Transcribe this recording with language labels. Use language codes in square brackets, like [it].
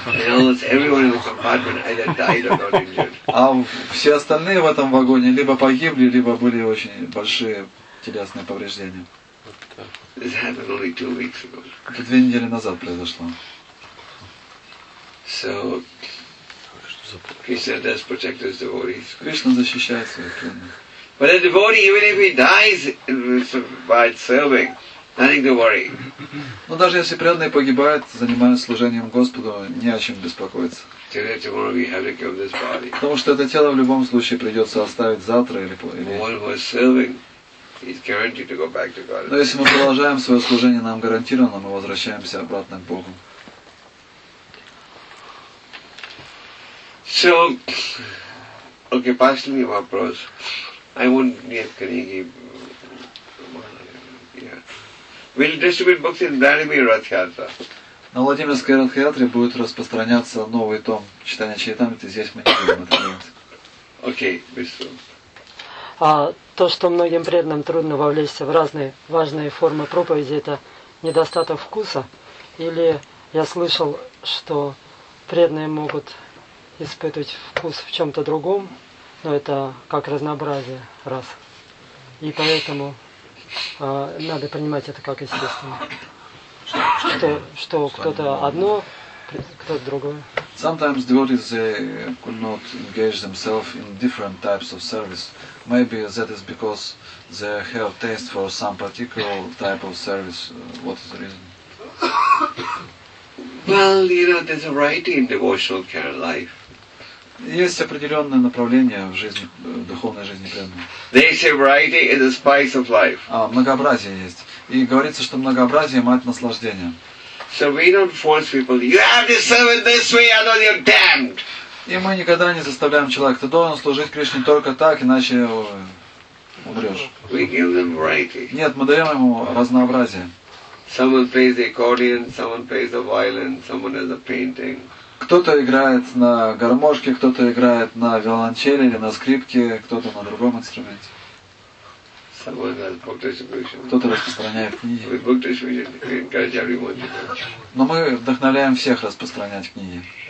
[en] Everyone in the compartment either died or got injured. [ru] А все остальные в этом вагоне либо погибли, либо были очень большие телесные повреждения. [en] This happened only 2 weeks ago. [ru] Это 2 недели назад произошло. [en] So Krishna does protect his devotees. [ru] Кришна защищает своих преданных. [en] But a devotee, even if he dies by serving, nothing to worry. [ru] Но даже если преданные погибают, занимаясь служением Господу, не о чем беспокоиться. [en] Today, tomorrow we have to give this body. [ru] Потому что это тело в любом случае придется оставить завтра или по. [en] While we're serving, he's guaranteed to go back to God. [ru] Но если мы продолжаем свое служение, нам гарантировано, мы возвращаемся обратно к Богу. [en] So, okay, [ru] последний вопрос. [en] I won't get Kanigi. Yeah. We'll distribute books in Vladimir Rathyatra. [ru] На Владимирской Радхаятре будет распространяться новый том читания Чайтамриты. Здесь мы не будем это делать. Окей, быстро. А то, что многим преданным трудно вовлечься в разные важные формы проповеди, это недостаток вкуса? Или я слышал, что преданные могут испытывать вкус в чем-то другом? Но это как разнообразие, раз. И поэтому надо принимать это как естественно. Что кто-то одно, кто-то другое. [en] Sometimes devotees could not engage themselves in different types of service. Maybe that is because they have taste for some particular type of service. What is the reason? Well, you know, there's a variety in devotional care life. [ru] Есть определенное направление в жизни, в духовной жизни преданного. [en] They say variety is the spice of life. [ru] А, многообразие есть. И говорится, что многообразие – мать наслаждения. [en] So we don't force people, you have to serve it this way, otherwise you're damned. [ru] И мы никогда не заставляем человека, ты должен служить Кришне только так, иначе умрешь. [en] We give them variety. [ru] Нет, мы даем ему разнообразие. [en] Someone plays the accordion, someone plays the violin, someone has a painting. [ru] Кто-то играет на гармошке, кто-то играет на виолончели или на скрипке, кто-то на другом инструменте. Кто-то распространяет книги. Но мы вдохновляем всех распространять книги.